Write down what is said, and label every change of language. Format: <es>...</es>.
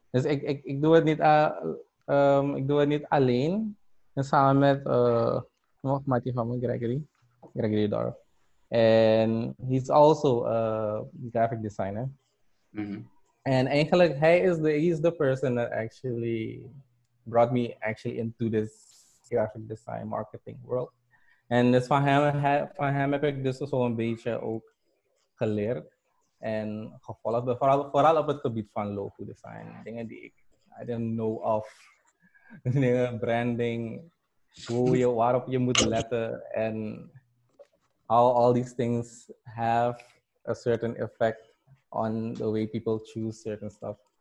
<nl>Yes, ik doe het niet ik doe het niet alleen. En samen met nog maatje van me, Gregory Dorf.</nl> <en>En he's also a graphic designer. Mm-hmm. And eigenlijk he's the person that actually brought me actually into this graphic design marketing world.</en> <nl>En dus van hem heb ik dus zo'n beetje ook geleerd en gevolgd. Vooral op het gebied van logo design.</nl> <en>Dingen die ik I didn't know of. Branding, waarop je moet letten en how all these things have a certain effect on the way people choose certain stuff.</en>